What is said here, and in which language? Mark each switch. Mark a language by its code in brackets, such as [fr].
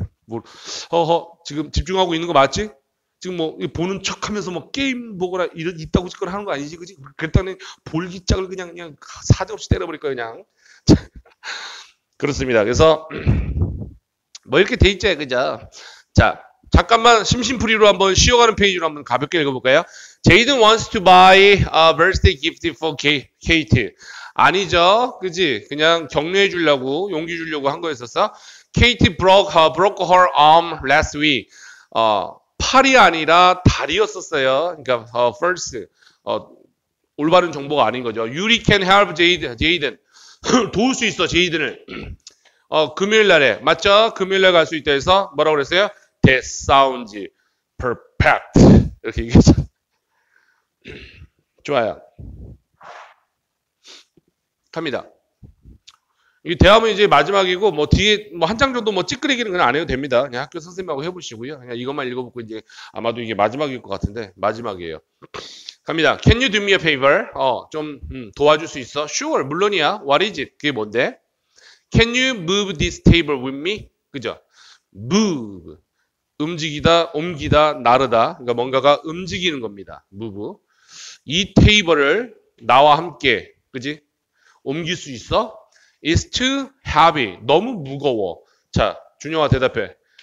[ko] 뭘, 지금 집중하고 있는 거 맞지? 지금 뭐, 보는 척 하면서 뭐, 게임 보거나, 있다고 짓거나 하는 거 아니지? 그지? 그랬더니, 볼기짝을 그냥 사정없이 때려버릴 거야, 그냥. 그렇습니다. 그래서, 뭐, 이렇게 돼 있지, 그죠? 자, 잠깐만, 심심풀이로 한번 쉬어가는 페이지로 한번 가볍게 읽어볼까요? [en] Jaden wants to buy a birthday gift for Kate. [ko] 아니죠. 그지? 그냥 격려해 주려고, 용기 주려고 한 거였었어. [en] Kate broke her arm last week. [ko] 팔이 아니라 다리였었어요. 그러니까, first. 올바른 정보가 아닌 거죠. [en] You can help Jaden. [ko] 도울 수 있어, Jaden을. 금요일 날에, 맞죠? 금요일 날갈수 있다 해서 뭐라고 그랬어요? [en] That sounds perfect. [ko] 이렇게 얘기했어. 좋아요. 갑니다. 이 대화문 이제 마지막이고, 뭐, 뒤에, 뭐, 한장 정도 뭐, 찌끄레기는 그냥 안 해도 됩니다. 그냥 학교 선생님하고 해보시고요. 그냥 이것만 읽어보고, 이제, 아마도 이게 마지막일 것 같은데, 마지막이에요. 갑니다. [en] Can you do me a favor? [ko] 도와줄 수 있어? [en] Sure, [ko] 물론이야. [en] What is it? [ko] 그게 뭔데? [en] Can you move this table with me? [ko] 그죠? Move. 움직이다, 옮기다, 나르다. 그러니까 뭔가가 움직이는 겁니다. [en] Move. [ko] 이 테이블을 나와 함께, 그지? 옮길 수 있어? [en] It's too heavy. [ko] 너무 무거워. 자, 준영아 대답해.